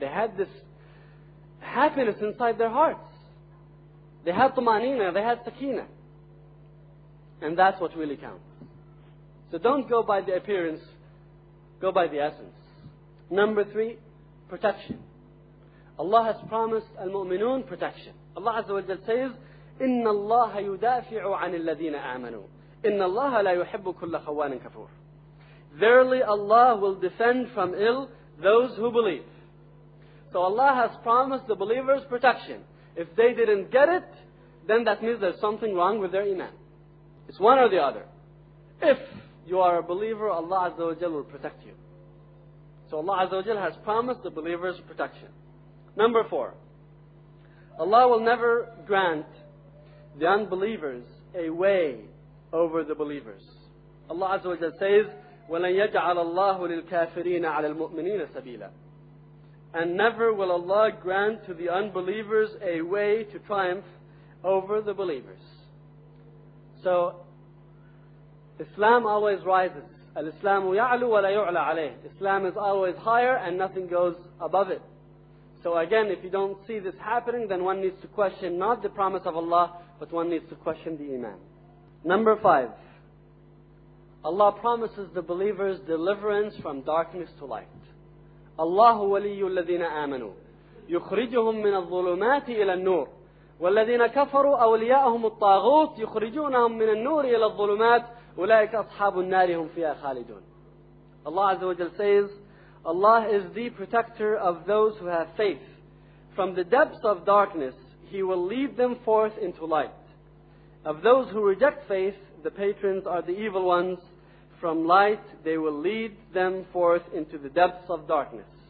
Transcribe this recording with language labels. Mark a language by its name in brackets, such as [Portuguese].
[English] They had this happiness inside their hearts. They had tumanina, they had sakina. And that's what really counts. So don't go by the appearance, go by the essence. Number three, protection. Allah has promised al-mu'minun protection. Allah Azza wa Jalla says, [Arabic] إِنَّ اللَّهَ يُدَافِعُ عَنِ الَّذِينَ آمَنُوا إِنَّ اللَّهَ لَا يُحِبُّ كُلَّ خَوَّانٍ كَفُورٍ. [English] Verily Allah will defend from ill those who believe. So Allah has promised the believers protection. If they didn't get it, then that means there's something wrong with their iman. It's one or the other. If you are a believer, Allah Azza wa Jal will protect you. So Allah Azza wa Jal has promised the believers protection. Number four, Allah will never grant the unbelievers a way over the believers. Allah Azza wa Jal says, [Arabic] وَلَنْ يَجْعَلَ اللَّهُ لِلْكَافِرِينَ عَلَى الْمُؤْمِنِينَ سَبِيلًا. [English] And never will Allah grant to the unbelievers a way to triumph over the believers. So Islam always rises. [Arabic] Al-Islamu ya'lu wa la yu'la alayh. [English] Islam is always higher and nothing goes above it. So again, if you don't see this happening, then one needs to question not the promise of Allah, but one needs to question the iman. Number five. Allah promises the believers deliverance from darkness to light. [Arabic] Allahu waliyyu alladhina amanu. Yukhrijuhum min al-zulumati ila al-nur. Walladhina kafaru awliya'ahum al-taghut. Yukhrijunahum min al-nur ila al-zulumati. أولئك أصحاب النار هم فيها خالدون. [English] Allah Azza wa Jal says, Allah is the protector of those who have faith. From the depths of darkness, He will lead them forth into light. Of those who reject faith, the patrons are the evil ones. From light, they will lead them forth into the depths of darkness.